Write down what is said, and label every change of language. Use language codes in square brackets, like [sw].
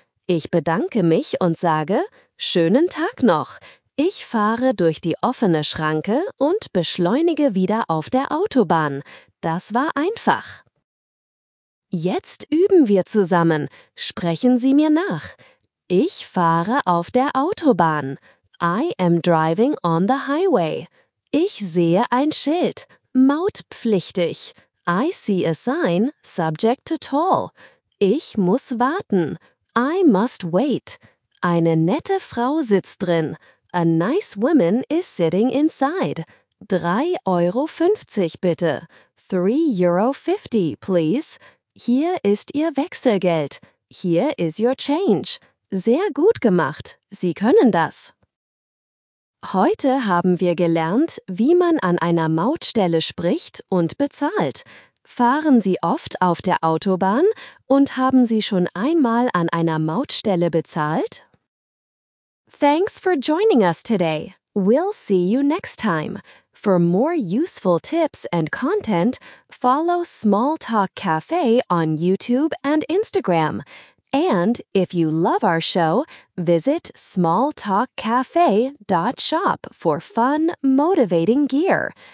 [de] Ich bedanke mich und sage, schönen Tag noch. Ich fahre durch die offene Schranke und beschleunige wieder auf der Autobahn. Das war einfach. Jetzt üben wir zusammen. Sprechen Sie mir nach. Ich fahre auf der Autobahn. [en] I am driving on the highway. [de] Ich sehe ein Schild. [en] Mautpflichtig. I see a sign, subject to toll. [de] Ich muss warten. [en] I must wait. [de] Eine nette Frau sitzt drin. [en] A nice woman is sitting inside. [de] 3,50 € bitte. [en] 3,50 € please. [de] Hier ist Ihr Wechselgeld. [en] Here is your change. [de] Sehr gut gemacht. Sie können das. Heute haben wir gelernt, wie man an einer Mautstelle spricht und bezahlt. Fahren Sie oft auf der Autobahn und haben Sie schon einmal an einer Mautstelle bezahlt? [en] Thanks for joining us today. We'll see you next time. For more useful tips and content, follow Small Talk Cafe on YouTube and Instagram. And if you love our show, visit smalltalkcafe.shop for fun, motivating gear.